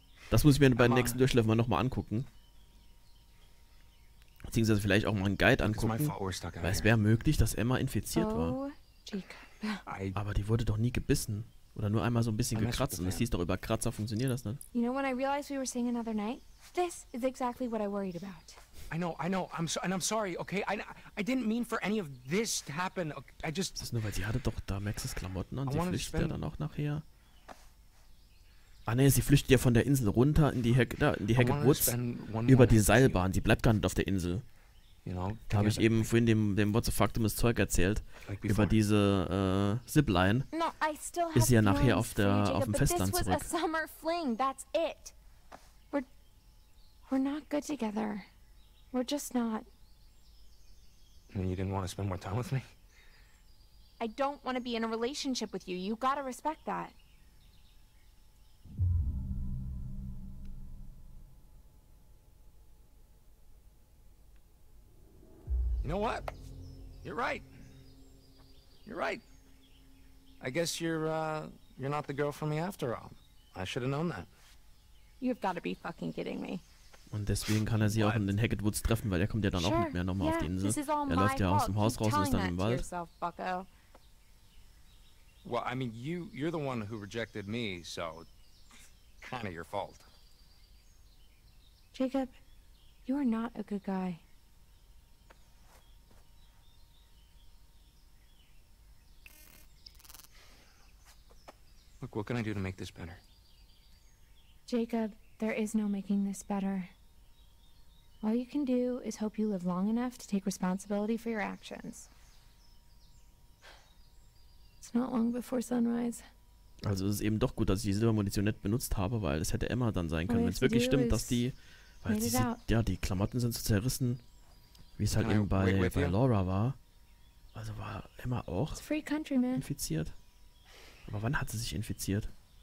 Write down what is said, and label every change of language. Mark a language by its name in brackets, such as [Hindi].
[German] Das muss ich mir bei den nächsten Durchläufen mal nochmal angucken. Beziehungsweise vielleicht auch mal einen Guide angucken. Weil es wäre möglich, dass Emma infiziert war. Aber die wurde doch nie gebissen. Oder nur einmal so ein bisschen gekratzt. Und es hieß doch, über Kratzer funktioniert das nicht. [English] You know, when I realized we were seeing another night, this is exactly what I worried about. I know, I'm sorry, okay? I didn't mean for any of this to happen. I just... [German] Das ist nur, weil sie hatte doch da Maxes Klamotten an. Sie flüchtet ja dann auch nachher. Ah ne, sie flüchtet ja von der Insel runter in die Hacket Woods über die Seilbahn. Sie bleibt gar nicht auf der Insel. Da habe ich eben vorhin dem What the Fuck dummes Zeug erzählt, like über diese Zipline, [English] no, [German] ist sie ja nachher auf dem Festland zurück. [English] This was a summer fling, that's it. We're not good together. We're just not. And you didn't want to spend more time with me? I don't want to be in a relationship with you. You gotta respect that. You know what? You're right. I guess you're not the girl for me after all. I should have known that. You've got to be fucking kidding me. [German] Und deswegen kann er sie auch in den Hacket Woods treffen, weil er kommt ja dann auch mit mir nochmal auf die Insel. Er läuft ja aus dem Haus raus und ist dann im Wald. [English] Yourself, bucko. Well, I mean, you're the one who rejected me, so kind of your fault. Jacob, you are not a good guy. Look, what can I do to make this better? Jacob, there is no making this better. All you can do is hope you live long enough to take responsibility for your actions. It's not long before sunrise. [German] Also es ist eben doch gut, dass ich die Silbermunition nicht benutzt habe, weil es hätte Emma dann sein können. Wenn es wirklich stimmt, dass die... Weil sie sind, ja, die Klamotten sind so zerrissen, wie es halt eben bei Laura war. Also war Emma auch infiziert. Aber wann hat sie sich infiziert?